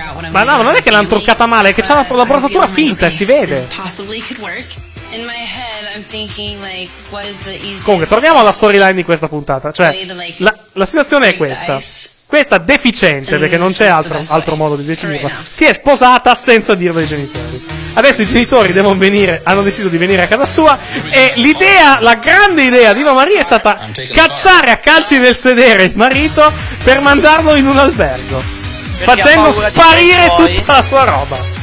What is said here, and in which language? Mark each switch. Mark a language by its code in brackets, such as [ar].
[it] ma no, non è che l'hanno truccata male, è che c'ha la borsatura finta e si vede. [en] In my head I'm thinking like what is the easiest. [it] Comunque torniamo alla storyline di questa puntata, cioè la, la situazione è questa. Questa deficiente, perché non c'è altro, altro modo di definirla. Si è sposata senza dirlo ai genitori. Adesso i genitori devono venire, hanno deciso di venire a casa sua, e l'idea, la grande idea di Eva Maria è stata cacciare a calci nel sedere il marito per mandarlo in un albergo, facendo sparire tutta la sua roba.